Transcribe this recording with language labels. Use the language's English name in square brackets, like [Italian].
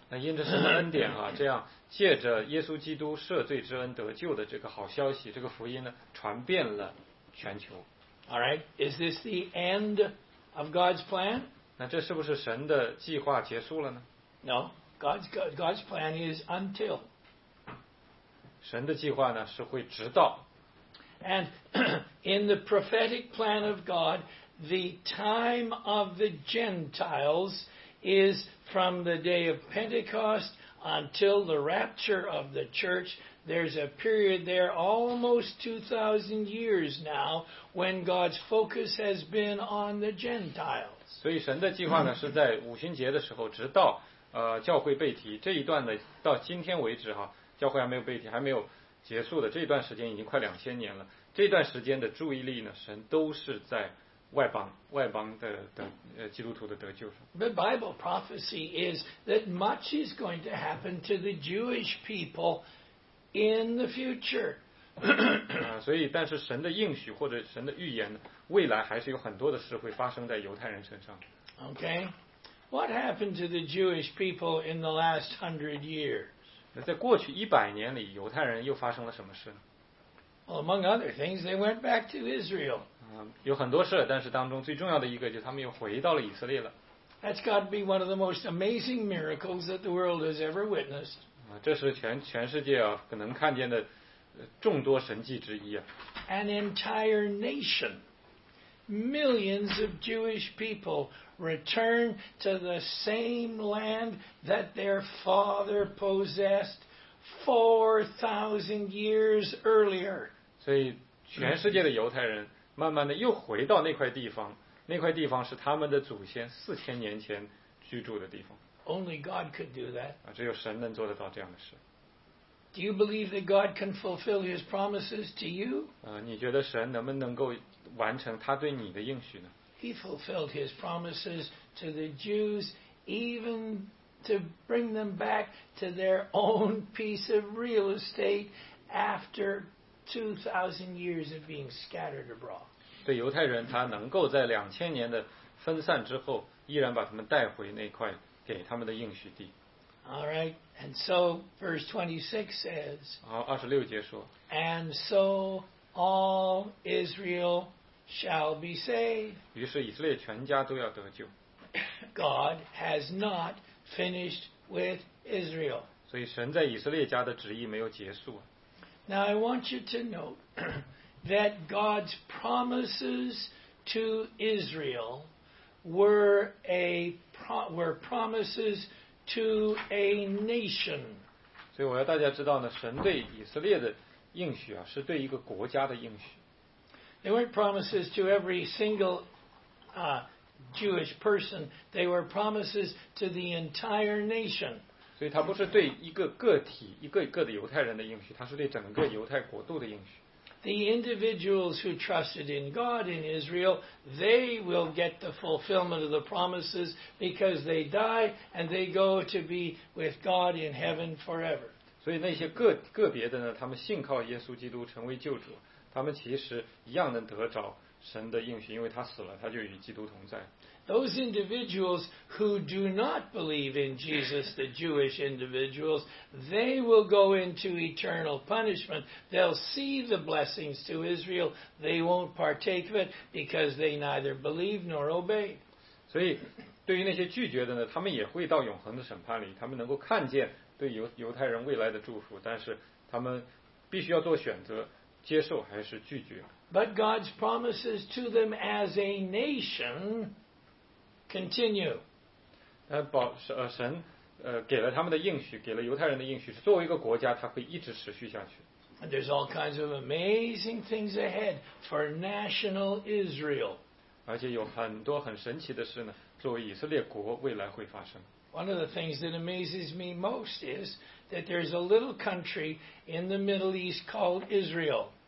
[Chinese] 那因着神的恩典啊，这样借着耶稣基督赦罪之恩得救的这个好消息，这个福音呢，传遍了全球。 [English] All right, is this the end of God's plan? [Chinese] 那这是不是神的计划结束了呢？ [English] No, God's plan is until. [Chinese] 神的计划呢，是会直到。 [English] And in the prophetic plan of God, the time of the Gentiles is from the day of Pentecost until the rapture of the church. There's a period there, almost 2,000 years now, when God's focus has been on the Gentiles. [Chinese] 所以神的计划呢，是在五旬节的时候，直到教会被提这一段的，到今天为止哈，教会还没有被提，还没有。结束的这段时间已经快两千年了，这段时间的注意力呢，神都是在外邦的基督徒的得救上。 [English] The Bible prophecy is that much is going to happen to the Jewish people in the future. [Chinese] 所以但是神的应许或者神的预言呢，未来还是有很多的事会发生在犹太人身上。 [English] Okay, what happened to the Jewish people in the last 100 years? [Chinese] 那在过去一百年里，犹太人又发生了什么事呢？ [English] Well, among other things, they went back to Israel. [Chinese] 有很多事，但是当中最重要的一个就是他们又回到了以色列了。 [English] That's got to be one of the most amazing miracles that the world has ever witnessed. [Chinese] 这是全世界啊可能看见的众多神迹之一啊。 [English] An entire nation, millions of Jewish people. Return to the same land that their father possessed 4,000 years earlier. [Chinese] 所以全世界的犹太人慢慢的又回到那块地方，那块地方是他们的祖先4000年前居住的地方。 [English] Only God could do that. [Chinese] 只有神能做得到这样的事。 [English] Do you believe that God can fulfill his promises to you? [Chinese] 你觉得神能不能够完成他对你的应许呢？ [English] He fulfilled his promises to the Jews, even to bring them back to their own piece of real estate after 2,000 years of being scattered abroad. [Chinese] 对犹太人，他能够在两千年的分散之后，依然把他们带回那块给他们的应许地。 [English] All right, and so verse 26 says. [Chinese] 好，二十六节说。 [English] And so all Israel. Shall be saved. [Chinese] 于是以色列全家都要得救。 [English] God has not finished with Israel. [Chinese] 所以神在以色列家的旨意没有结束。 [English] Now I want you to note that God's promises to Israel were promises to a nation. [Chinese] 所以我要大家知道呢，神对以色列的应许啊，是对一个国家的应许。 [English] They weren't promises to every single Jewish person. They were promises to the entire nation. [Chinese] 所以它不是对一个个体、一个一个的犹太人的应许，它是对整个犹太国度的应许。 [English] The individuals who trusted in God in Israel, they will get the fulfillment of the promises because they die and they go to be with God in heaven forever. [Chinese] 所以那些个别的呢，他们信靠耶稣基督成为救主。他们其实一样能得着神的应许，因为他死了，他就与基督同在。 [English] Those individuals who do not believe in Jesus, the Jewish individuals, they will go into eternal punishment. They'll see the blessings to Israel. They won't partake of it because they neither believe nor obey. [Chinese] 所以，对于那些拒绝的呢，他们也会到永恒的审判里。他们能够看见对犹太人未来的祝福，但是他们必须要做选择。接受还是拒绝。 [English] But God's promises to them as a nation continue. [Chinese] 神给了他们的应许，给了犹太人的应许，是作为一个国家，它会一直持续下去。 [English] And there's all kinds of amazing things ahead for national Israel. [Chinese] 而且有很多很神奇的事呢，作为以色列国未来会发生。 [English] One of the things that amazes me most is that there's a little country in the Middle East called Israel.